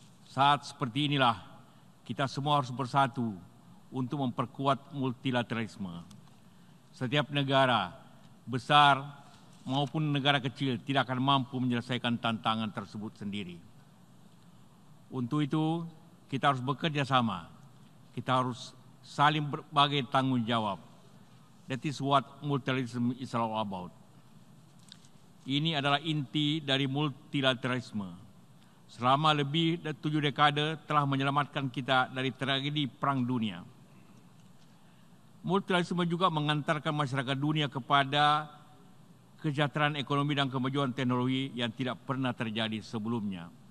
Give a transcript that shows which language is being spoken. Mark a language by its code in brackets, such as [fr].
[id] Saat seperti inilah, kita semua harus bersatu untuk memperkuat multilateralisme. Setiap negara, besar maupun negara kecil, tidak akan mampu menyelesaikan tantangan tersebut sendiri. Untuk itu, kita harus bekerja sama. Kita harus saling berbagi tanggung jawab. [en] That is what multilateralism is all about. [id] Ini adalah inti dari multilateralisme. Selama lebih dari 7 dekade telah menyelamatkan kita dari tragedi perang dunia. Multilateralisme juga mengantarkan masyarakat dunia kepada kesejahteraan ekonomi dan kemajuan teknologi yang tidak pernah terjadi sebelumnya.